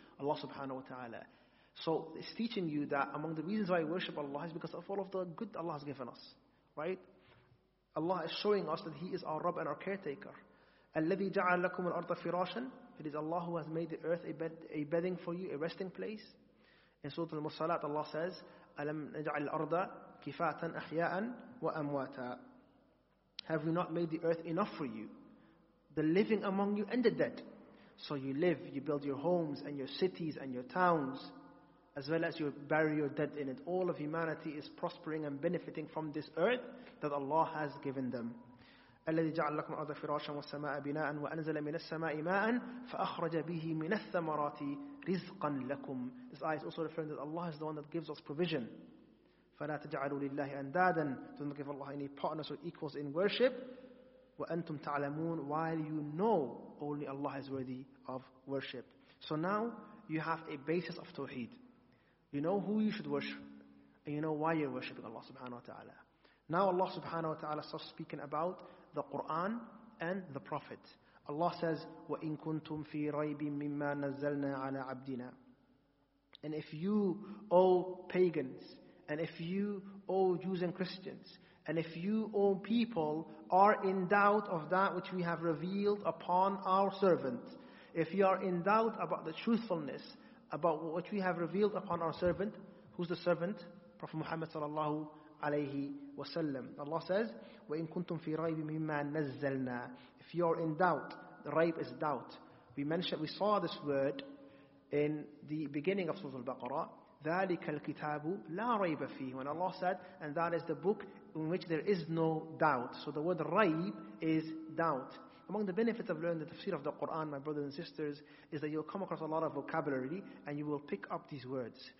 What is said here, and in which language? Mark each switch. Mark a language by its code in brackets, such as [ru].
[en] Allah subhanahu wa ta'ala. So it's teaching you that among the reasons why we worship Allah is because of all of the good Allah has given us. Right? Allah is showing us that He is our Rabb and our caretaker. [ar] الَّذِي جَعَلْ لَكُمُ الْأَرْضَ فِرَاشًا. [en] It is Allah who has made the earth a bedding for you, a resting place. In Surah Al-Mursalat, Allah says, [ar] أَلَمْ نَجْعَلْ الْأَرْضَ كِفَاتًا أَحْيَاءً وَأَمْوَاتًا. [en] Have we not made the earth enough for you? The living among you and the dead. So you live, you build your homes and your cities and your towns, as well as you bury your dead in it. All of humanity is prospering and benefiting from this earth that Allah has given them. [ar] الَّذِي جَعَلْ لَكُمْ أَرْضَ فِرَاشًا وَالسَّمَاءَ بِنَاءً وَأَنْزَلَ مِنَ السَّمَاءِ مَاءً فَأَخْرَجَ بِهِ مِنَ الثَّمَرَاتِ رِزْقًا لَكُمْ. [en] This ayah is also referring that Allah is the one that gives us provision. [ar] فَلَا تَجْعَلُوا لِلَّهِ أَنْدَادًا. [en] Do not give Allah any partners or equals in worship. [ar] وَأَنْتُمْ تَعْلَمُونَ. [en] While you know only Allah is worthy of worship. So now you have a basis of tawheed. You know who you should worship. And you know why you're worshiping Allah subhanahu wa ta'ala. Now Allah subhanahu wa ta'ala starts speaking about the Qur'an and the Prophet. Allah says, [ar] وَإِن كُنْتُمْ فِي رَيْبٍ مِمَّا نَزَّلْنَا عَلَىٰ عَبْدِنَا. [en] And if you, O pagans, and if you, O Jews and Christians, and if you, O people, are in doubt of that which we have revealed upon our servant, if you are in doubt about the truthfulness, about what we have revealed upon our servant, who's the servant? Prophet Muhammad sallallahu alayhi wasallam. Allah says, [ar] وَإِن كُنْتُمْ فِي رَيْبٍ مِمَّا نَزَّلْنَا. [en] If you are in doubt, the rayb is doubt. We saw this word in the beginning of Surah Al-Baqarah, [ar] ذَلِكَ الْكِتَابُ لَا رَيْبَ فِيهِ. [en] When Allah said, and that is the book in which there is no doubt. So the word rayb is doubt. Among the benefits of learning the tafsir of the Qur'an, my brothers and sisters, is that you'll come across a lot of vocabulary and you will pick up these words.